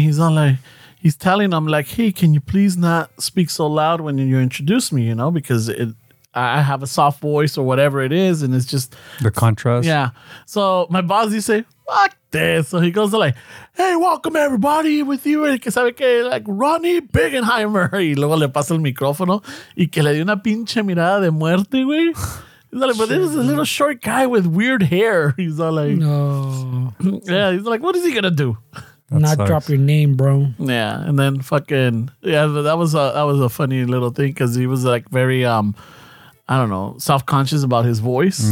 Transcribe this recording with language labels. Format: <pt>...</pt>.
<en>He's telling him, like, hey, can you please not speak so loud when you introduce me, you know, because I have a soft voice or whatever it is, and it's just... The contrast. Yeah. So my boss, he say, fuck this. So he goes like, hey, welcome everybody with you.</en> <es>Que sabe que, like, Ronnie Bigenheimer. Y luego le pasa el micrófono y que le dio una pinche mirada de muerte, güey.</es> <en>He's like, but this is a little short guy with weird hair. He's all like, no. Yeah, he's like, what is he going to do? That not sucks. Drop your name, bro. Yeah, and then fucking... Yeah, that was a funny little thing because he was like very... I don't know, self-conscious about his voice.</en>